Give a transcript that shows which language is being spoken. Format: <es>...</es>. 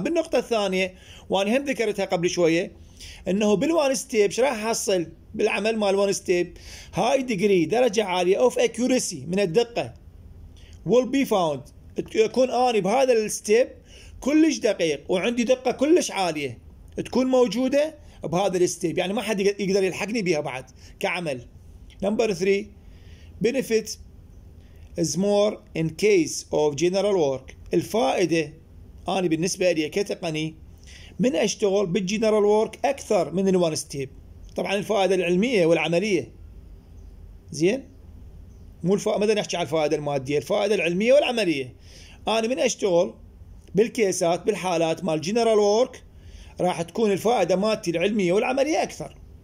<ar>بالنقطة الثانية وأنا هم ذكرتها قبل شوية أنه بالوان ستيب شراح حصل بالعمل مع الوان ستيب</ar> <en>high degree</en> <ar>درجة عالية</ar> <en>of accuracy</en> <ar>من الدقة</ar> <en>will be found</en> <ar>تكون أنا بهذا الستيب كلش دقيق وعندي دقة كلش عالية تكون موجودة بهذا الستيب يعني ما حد يقدر يلحقني بها بعد كعمل.</ar> <en>number 3 benefit is more in case of general work.</en> <ar>الفائدة أنا بالنسبة لي كتقني من أشتغل بالجنرال وورك أكثر من الوان ستيب. طبعا الفائدة العلمية والعملية زين مو ماذا نحكي على الفائدة المادية، الفائدة العلمية والعملية. أنا من أشتغل بالكيسات بالحالات مع الجنرال وورك راح تكون الفائدة مادتي العلمية والعملية أكثر.</ar>